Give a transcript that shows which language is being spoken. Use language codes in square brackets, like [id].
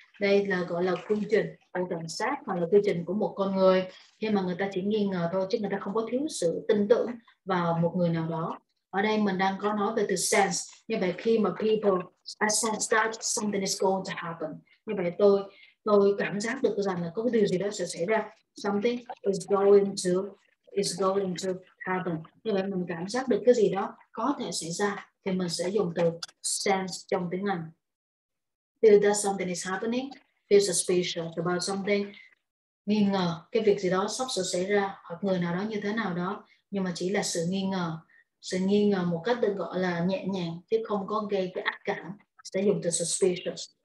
[vi] Đây là gọi là quy trình của cảnh sát hoặc là quy trình của một con người. Khi mà người ta chỉ nghi ngờ thôi, chứ người ta không có thiếu sự tin tưởng vào một người nào đó. Ở đây mình đang có nói về từ sense. Như vậy khi mà [en] people I sense that something is going to happen, [vi] như vậy tôi cảm giác được rằng là có điều gì đó sẽ xảy ra. [en] Something is going to happen. [vi] Như vậy mình cảm giác được cái gì đó có thể xảy ra thì mình sẽ dùng từ sense trong tiếng Anh. [en] Feel that something is happening, feel suspicious about something, [vi] nghi ngờ cái việc gì đó sắp sửa xảy ra hoặc người nào đó như thế nào đó, nhưng mà chỉ là sự nghi ngờ một cách được gọi là nhẹ nhàng chứ không có gây cái ác cảm, sẽ dùng từ suspicious.